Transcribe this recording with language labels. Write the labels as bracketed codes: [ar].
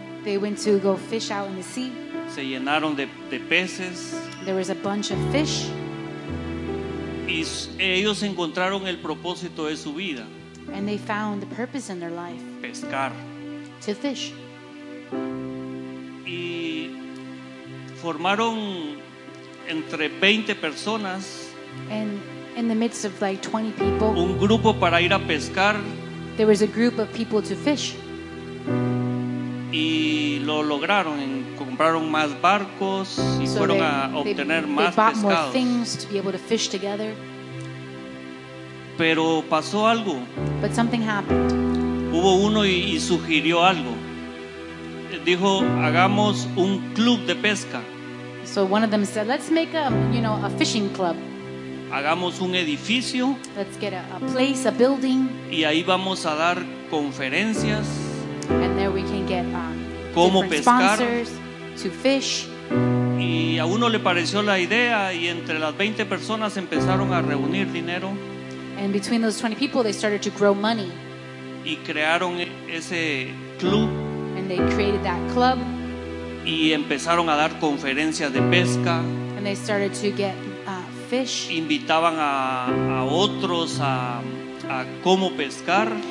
[en] They went to go fish out in the sea. [es] Se llenaron de peces. [en] There was a bunch of fish. [es] Y ellos encontraron el propósito de su vida. [en] And they found the purpose in their life. [es] Pescar. [en] To fish. [es] Y formaron entre 20 personas [en] and in the midst of like 20 people, [es] un grupo para ir a pescar. [en] There was a group of people to fish. [es] Y lo lograron, compraron más barcos y [en] so [es] fueron a obtener más pescados. [en] They bought more things to be able to fish together. [es] Pero pasó algo. [en] But something happened. [es] Hubo uno y sugirió algo. Dijo, hagamos un club de pesca. [en] So one of them said, let's make a fishing club. [es] Hagamos un edificio. [en] Let's get a place, a building. [es] Y ahí vamos a dar conferencias. [en] And there we can get [es] cómo pescar. [en] Sponsors to fish. [es] Y a uno le pareció la idea y entre las 20 personas empezaron a reunir dinero. [en] And between those 20 people they started to grow money. [es] Y crearon ese club. [en] And they created that club. [es] Y empezaron a dar conferencias de pesca. [en] And they started to get fish. [es] Invitaban a otros a cómo pescar.